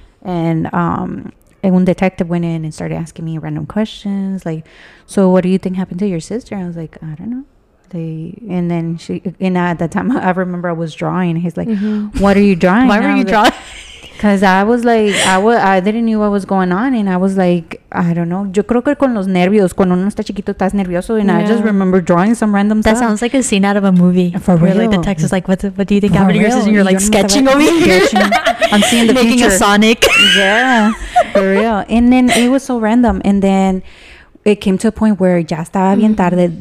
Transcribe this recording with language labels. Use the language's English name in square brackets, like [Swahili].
[English] And [Spanish] un detective [English] went in and started asking me random questions. Like, so what do you think happened to your sister? I was like, I don't know. At that time, I remember I was drawing. He's like, what are you drawing? Why were you drawing? Because I didn't know what was going on. And I was like, I don't know. [Spanish] Yo creo que con los nervios, cuando uno está chiquito, estás nervioso. [English] And yeah. I just remember drawing some random stuff. That sounds like a scene out of a movie. For real. Like the text is like, what do you think happened to yours? And you're like sketching over here. I'm seeing the future. Making a Sonic. Yeah. For real. And then it was so random. And then it came to a point where [Spanish] ya estaba bien tarde.